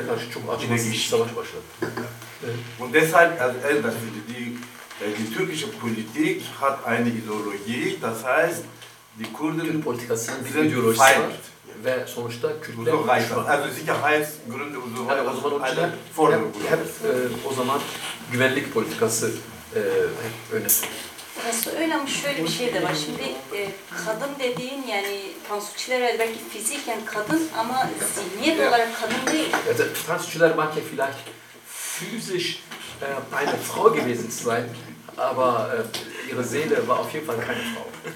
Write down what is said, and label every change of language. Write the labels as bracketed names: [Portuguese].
[German] begonnen. Und deshalb, also die türkische Politik hat eine Ideologie, das heißt, die Kurden sind feindlich. [Turkish] Ve sonuçta Kürtler... [German] So also sicherheitsgründe und so weiter. [Turkish] O zaman onun için hep o zaman güvenlik politikası öne sürüyor. Aslında öyle ama şöyle bir şey de var. Şimdi kadın dediğin yani Tansu Çiller belki fiziken kadın ama zihniyet olarak kadın değil. Yani Tansu Çiller belki [German] vielleicht physisch eine Frau gewesen zu sein. Aber ihre Seele war auf jeden Fall keine Frau.